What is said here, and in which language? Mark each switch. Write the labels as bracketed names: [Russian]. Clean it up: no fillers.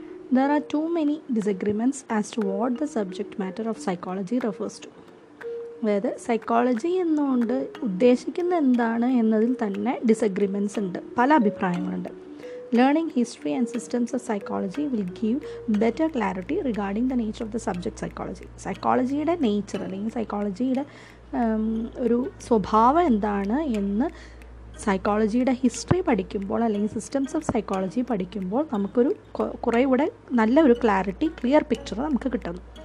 [English] There are too many disagreements as to what the subject matter of psychology refers to. Whether psychology [Malayalam] എന്നുകൊണ്ട് ഉദ്ദേശിക്കുന്ന എന്താണ് എന്നതിൽ തന്നെ disagreements ഉണ്ട്, പല അഭിപ്രായങ്ങളുണ്ട്. [English] Learning history and systems of psychology will give better clarity regarding the nature of the subject psychology. [Malayalam] സൈക്കോളജിയുടെ nature അല്ലെങ്കിൽ സൈക്കോളജിയുടെ ഒരു സ്വഭാവം എന്താണ് എന്ന് സൈക്കോളജിയുടെ ഹിസ്റ്ററി പഠിക്കുമ്പോൾ അല്ലെങ്കിൽ സിസ്റ്റംസ് ഓഫ് സൈക്കോളജി പഠിക്കുമ്പോൾ നമുക്കൊരു കുറേ കൂടെ നല്ലൊരു ക്ലാരിറ്റി, ക്ലിയർ പിക്ചർ നമുക്ക് കിട്ടുന്നു.